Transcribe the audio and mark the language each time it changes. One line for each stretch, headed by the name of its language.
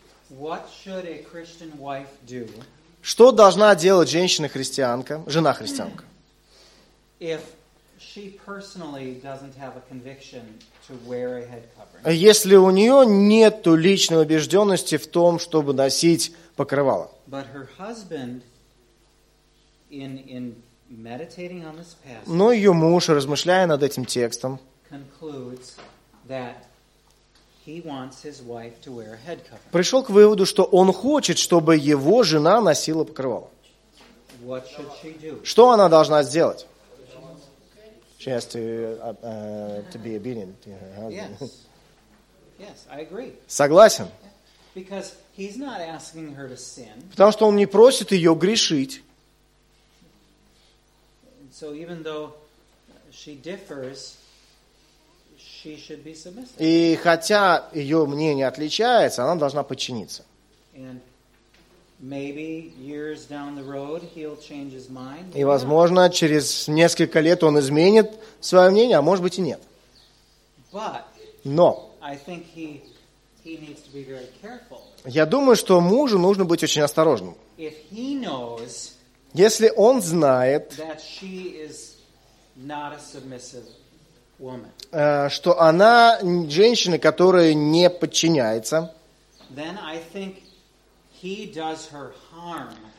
English: What should a Christian wife do?
Russian: Что должна делать женщина-христианка, жена-христианка?
English: If she personally doesn't have a conviction to wear a head covering.
Russian: Если у неё нету личной убеждённости в том, чтобы носить покрывало.
English: But her husband in meditating on this passage.
Russian: Но её муж, размышляя над этим текстом,
English: concludes that he wants his wife to wear a head covering.
Russian: Пришёл к выводу, что он хочет, чтобы его жена носила покрывало.
English: What should she do?
Russian: Что она должна сделать?
English: She has to be obedient to her husband. Yes, I agree.
Russian: Согласен.
English: Because he's not asking her to sin.
Russian: Потому что он не просит ее грешить.
English: So even though she differs, she should be submissive.
Russian: И хотя ее мнение отличается, она должна подчиниться.
English: And maybe years down the road he'll change his mind.
Russian: И возможно, через несколько лет он изменит своё мнение, а может быть и нет.
English: But
Russian: но
English: I think he needs to be very careful.
Russian: Я думаю, что мужу нужно быть очень осторожным.
English: If he knows,
Russian: если он знает,
English: that she is not a submissive woman,
Russian: что она женщина, которая не подчиняется,
English: then I think he does her harm.